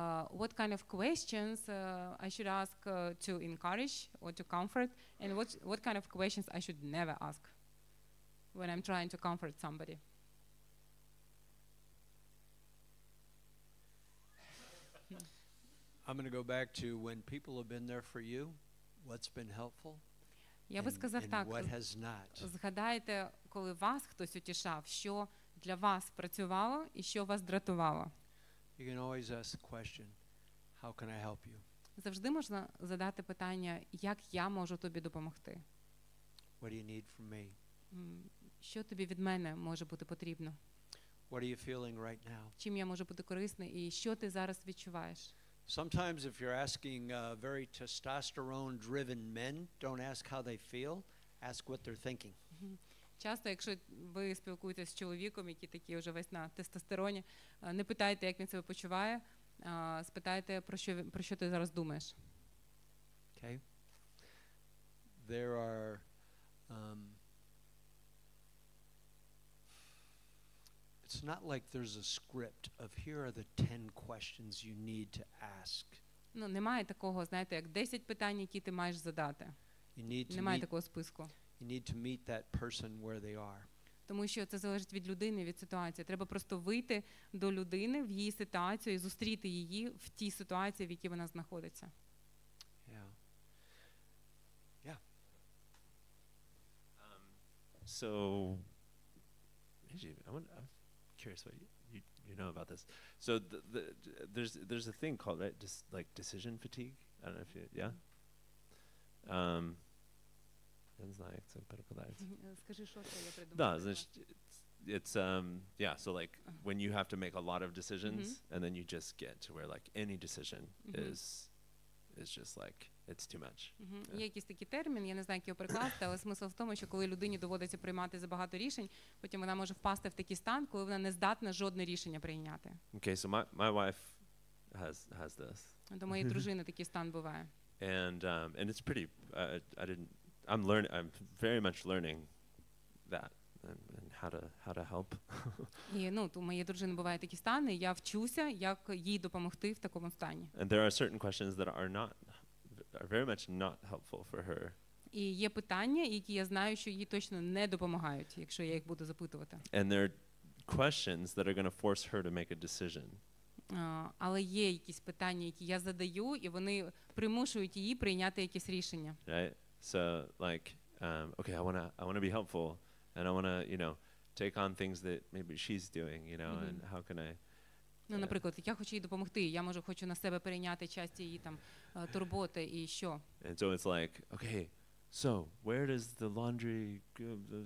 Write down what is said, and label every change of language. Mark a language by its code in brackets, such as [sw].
[en] What kind of questions I should ask to encourage or to comfort, and what kind of questions I should never ask when I'm trying to comfort somebody? I'm going to go back to when people have been there for you, what's been helpful? [uk] Я би сказав так. [en] What has not? [uk] Згадайте, коли вас хтось утішав, що для вас працювало і що вас дратувало. [en] You can always ask the question, how can I help you? [uk] Завжди можна задати питання, як я можу тобі допомогти? [en] What do you need from me? [uk] Що тобі від мене може бути потрібно? [en] What are you feeling right now? [uk] Чим я можу бути корисний і що ти зараз відчуваєш? [en] Sometimes if you're asking very testosterone driven men, don't ask how they feel, ask what they're thinking. [uk] Часто, якщо ви спілкуєтесь з чоловіком, який такий вже весь на тестостероні, не питайте, як він себе почуває, спитайте, про що ти зараз думаєш. [en] Okay. There are it's not like there's a script of here are the 10 questions you need to ask. [uk] Ну, немає такого, знаєте, як 10 питань, які ти маєш задати. [en] You need to [uk] немає такого списку. [en] You need to meet that person where they are. [uk] Тому що це залежить від людини, від ситуації. Треба просто вийти до людини в її ситуацію і зустріти її в тій ситуації, в якій вона знаходиться. [en] Yeah. Yeah. So I'm curious what you know about this. So there's a thing called, right, just like decision fatigue. I don't know if you, yeah. [uk] Не знаю, як це перекладається. Скажи, що це я придумала. Да, значить, [en] it's yeah, so like when you have to make a lot of decisions and then you just get to where like any decision is just like it's too much. [uk] Є якийсь такий термін, я не знаю, як його перекласти, але смисл в тому, що коли людині доводиться приймати забагато рішень, потім вона може впасти в такий стан, коли вона не здатна жодне рішення прийняти. [en] Okay, so my wife has this. [uk] До моєї дружини такий стан буває. [en] And it's pretty I'm very much learning that and how to help. [uk] І, ну, у моєї дружини буває такі стани, я вчуся, як їй допомогти в такому стані. [en] And there are certain questions that are very much not helpful for her. [uk] І є питання, які я знаю, що їй точно не допомагають, якщо я їх буду запитувати. [en] And there are questions that are going to force her to make a decision. [uk] Але є якісь питання, які я задаю, і вони примушують її прийняти якесь рішення. [en] Right. So like okay, I want to be helpful and I want to, you know, take on things that maybe she's doing, you know, and how can I [uk] Ну, наприклад, я хочу їй допомогти, я може хочу на себе перейняти часть її там турботи і що. [en] And so it's like, okay, so where does the laundry go?